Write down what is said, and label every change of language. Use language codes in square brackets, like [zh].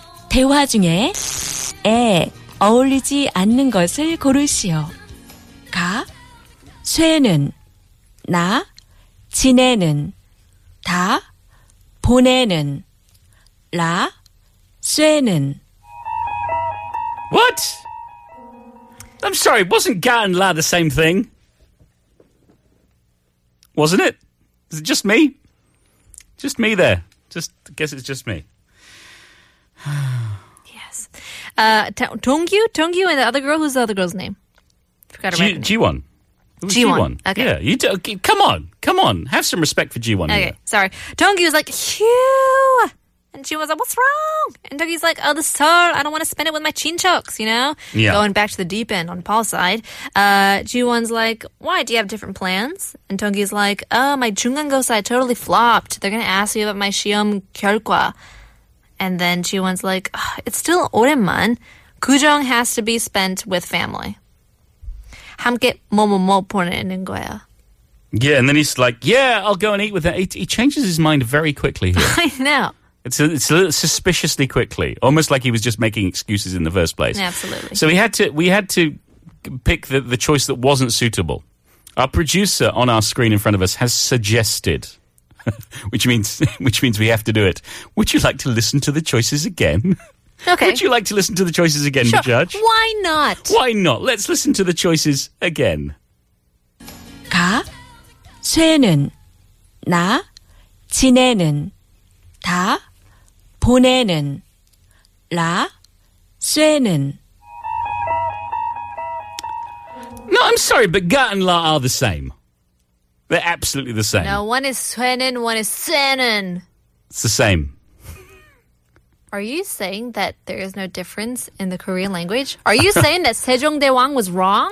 [ko] 대화 중에 에 어울리지 않는 것을 고르시오. 가 쇠는 나 지내는 다, 보내는, 라, 쇠는. [en] What? I'm sorry, wasn't ga and la the same thing? Wasn't it? Is it just me? Just me there. Just, I guess it's just me. Yes. Tongyu and the other girl, who's the other girl's name? Forgot her name. Jiwon. G1. Okay. Yeah, come on. Have some respect for G1. Okay, here. Sorry. Dongyu was like, "Hew!" And G1 was like, "What's wrong?" And Dongyu's like, "Oh, the Seoul, I don't want to spend it with my chinchoks, you know?" Yeah. Going back to the deep end on Paul's side. G1's like, "Why? Do you have different plans?" And Dongyu's like, "Oh, my Jungango side totally flopped. They're going to ask you about my Shiyeom Kyolkwa." And then G1's like, "Oh, it's still Oreman. Kujong has to be spent with family. [ko] 함께 뭐뭐뭐 보내는 거야." [en] Yeah, and then he's like, "Yeah, I'll go and eat with her." He changes his mind very quickly here. I know. It's a little suspiciously quickly, almost like he was just making excuses in the first place. Absolutely. So we had to pick the choice that wasn't suitable. Our producer on our screen in front of us has suggested, which means we have to do it. Would you like to listen to the choices again? Okay. Would you like to listen to the choices again, sure. Judge? Why not? Let's listen to the choices again. [ko] 가, 쇠는, 나, 지내는, 다, 보내는, 라, 쇠는. [en] No, I'm sorry, but 가 and 라 are the same. They're absolutely the same. No, one is 쇠는, one is 쇠는. It's the same. Are you saying that there is no difference in the Korean language? Are you saying that Sejongdaewang was wrong?